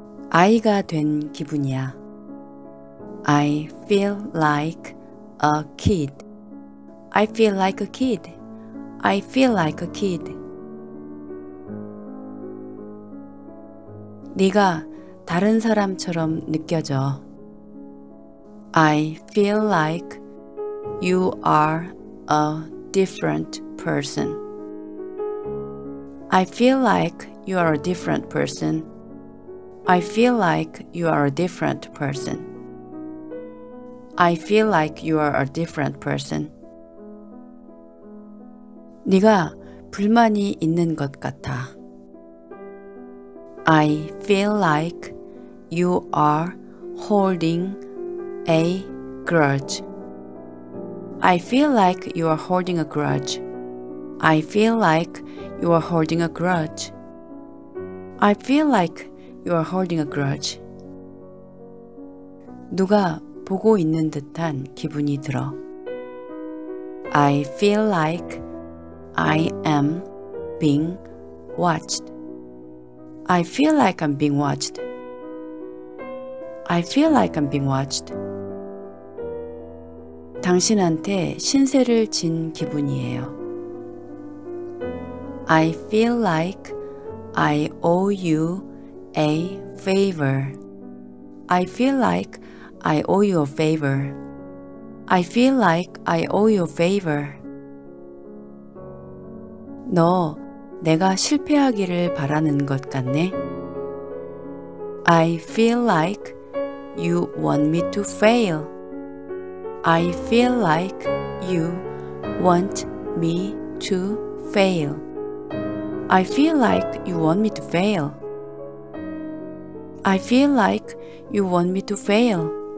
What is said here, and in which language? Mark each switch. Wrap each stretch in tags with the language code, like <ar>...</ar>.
<ko>아이가 된 기분이야.</ko> <en>I feel like a kid. I feel like a kid. I feel like a kid.</en> <ko>네가 다른 사람처럼 느껴져.</ko> <en>I feel like you are a different person. I feel like you are a different person. I feel like you are a different person. I feel like you are a different person.</en> <ko>네가 불만이 있는 것 같아.</ko> <en>I feel like you are holding a grudge. I feel like you are holding a grudge. I feel like you are holding a grudge. I feel like you are holding a grudge.</en> <ko>누가 보고 있는 듯한 기분이 들어.</ko> <en>I feel like I am being watched. I feel like I'm being watched. I feel like I'm being watched.</en> <ko>당신한테 신세를 진 기분이에요.</ko> <en>I feel like I owe you a favor. I feel like I owe you a favor. I feel like I owe you a favor.</en> <ko>너 내가 실패하기를 바라는 것 같네.</ko> <en>I feel like you want me to fail. I feel like you want me to fail. I feel like you want me to fail. I feel like you want me to fail.</en>